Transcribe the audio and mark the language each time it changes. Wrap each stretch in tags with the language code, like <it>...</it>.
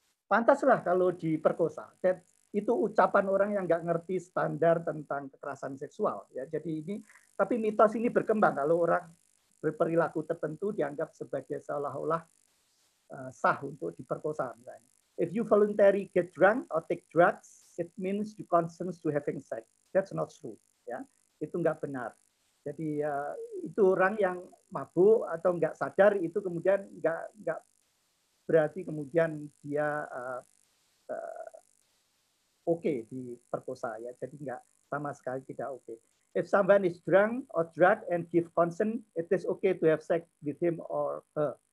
<id>Pantaslah kalau diperkosa. Itu ucapan orang yang nggak ngerti standar tentang kekerasan seksual, ya. Jadi ini, tapi mitos ini berkembang kalau orang berperilaku tertentu dianggap sebagai seolah-olah sah untuk diperkosa.</id> <en>If you voluntarily get drunk or take drugs, it means you consent to having sex. That's not true,</en> <id>ya. Itu nggak benar. Jadi itu orang yang mabuk atau nggak sadar itu kemudian nggak berarti kemudian dia oke diperkosa, ya. Jadi nggak, sama sekali tidak oke.</id> <en>If someone is drunk or drug and give consent, it is okay to have sex with him or her.</en>